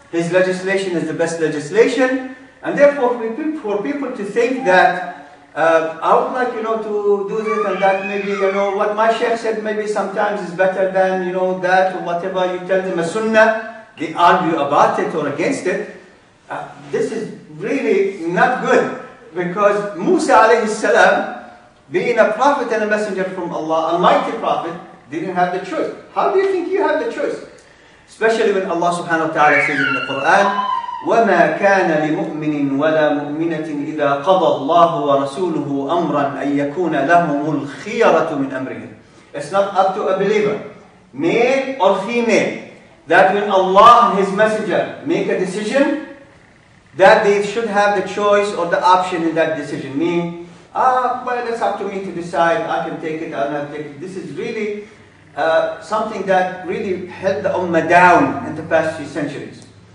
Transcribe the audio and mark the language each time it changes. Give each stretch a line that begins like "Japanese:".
English: His legislation is the best legislation. And therefore, for people to think that I would like, you know, to do this and that, maybe, you know, what my sheikh said maybe sometimes is better than, you know, that or whatever, you tell them a sunnah, they argue about it or against it. This is really not good, because Musa alayhi salam, being a prophet and a messenger from Allah, a mighty prophet, didn't have the truth. How do you think you have the truth? Especially when Allah subhanahu wa ta'ala says in the Quran,
Arabic: وَمَا كَانَ لِمُؤْمِنٍ وَلَا مُؤْمِنَةٍ إِذَا قَضَى اللَّهُ وَرَسُولُهُ أَمْرًا أَن يَكُونَ لَهُمُ الْخِيَرَةُ مِنْ أَمْرِهِمْ.
English: It's not up to a believer, male or female, that when Allah and His Messenger make a decision, that they should have the choice or the option in that decision. Meaning, well, it's up to me to decide, I can take it, I'll not take it. This is really something that really held the Ummah down in the past few centuries.